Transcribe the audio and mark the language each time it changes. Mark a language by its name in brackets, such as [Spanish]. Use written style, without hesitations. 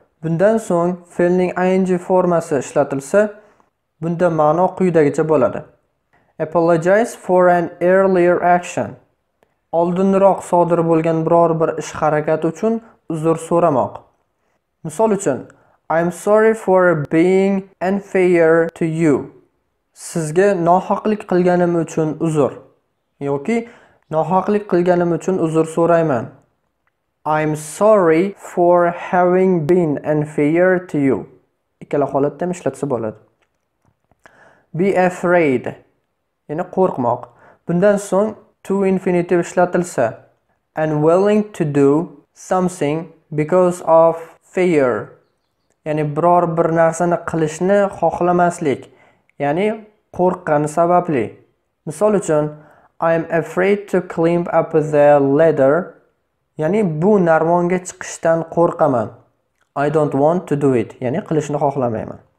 [Uzbek] Bundan so'ng fe'lning ing formasi ishlatilsa, bunda ma'no quyidagicha bo'ladi. [English] Apologize for an earlier action. [Uzbek] Oldinroq sodir bo'lgan biror bir ish harakat uchun uzr so'ramoq. Misol uchun, [English] I'm sorry for being unfair to you. [Uzbek] Sizga nohaqlik qilganim uchun uzr. Yoki nohaqlik qilganim uchun uzr so'rayman. [English] I'm sorry for having been unfair to you. [Uzbek] Ikkala holatda ham ishlatsa bo'ladi. Be afraid. Ya'ni qo'rqmoq. Bundan so'ng to infinitive ishlatilsa, [English] and willing to do something because of fear. [Uzbek] Ya'ni biror bir narsani qilishni xohlamaslik, ya'ni qo'rqqan sababli. Misol uchun, [English] I'm afraid to climb up the ladder. [Uzbek] Ya'ni bu narvonga chiqishdan qo'rqaman. [English] I don't want to do it. [Uzbek] Ya'ni qilishni xohlamayman.